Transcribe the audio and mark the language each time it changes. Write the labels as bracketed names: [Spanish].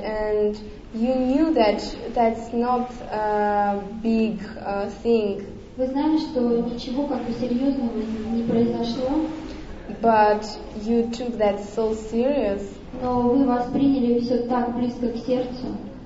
[English] And you knew that that's not a big thing. [Russian] Вы знали, что ничего как бы серьезного не произошло. [English] But you took that so serious. [Russian] Но вы восприняли все так близко к сердцу.